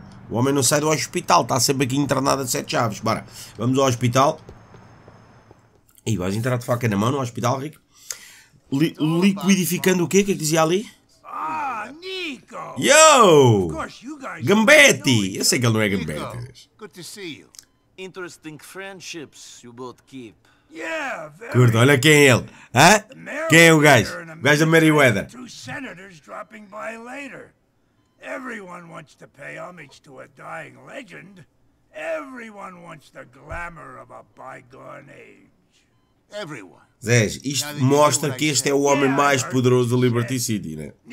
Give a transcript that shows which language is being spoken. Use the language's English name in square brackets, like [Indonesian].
[Portuguese] O homem não sai do hospital, está sempre aqui internado a sete chaves. Bora, vamos ao hospital. E vais entrar de faca na mão no hospital, Rico? Liquidificando o quê? O que é que dizia ali? Ah, Nico! [English] Yo! Gambetti! [Portuguese] Eu sei que ele não é Gambetti. [English] Good to see you. Interesting friendships you both keep. Yeah, [Portuguese] curto, olha quem é ele. Hã? Quem é o gajo? O gajo da Meriwether. Dois senadores [English] dropping by later. Everyone wants to pay homage to a dying legend. Everyone wants the glamour of a bygone age. [Portuguese] Zé, isto mostra que este é o homem mais poderoso do Liberty City, né?